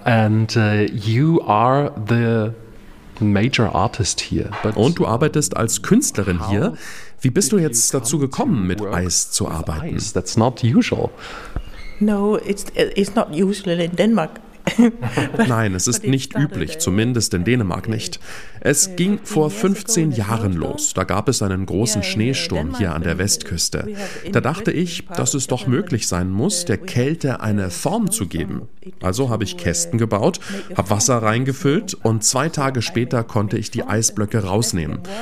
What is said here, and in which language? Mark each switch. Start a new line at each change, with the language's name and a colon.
English: And you are the major artist here.
German: But und du arbeitest als Künstlerin hier. Wie bist du jetzt dazu gekommen, mit Eis zu arbeiten?
English: Ice? That's not usual. No, it's not usual in Denmark.
German: Nein, es ist nicht üblich, zumindest in Dänemark nicht. Es ging vor 15 Jahren los. Da gab es einen großen Schneesturm hier an der Westküste. Da dachte ich, dass es doch möglich sein muss, der Kälte eine Form zu geben. Also habe ich Kästen gebaut, habe Wasser reingefüllt und zwei Tage später konnte ich die Eisblöcke rausnehmen.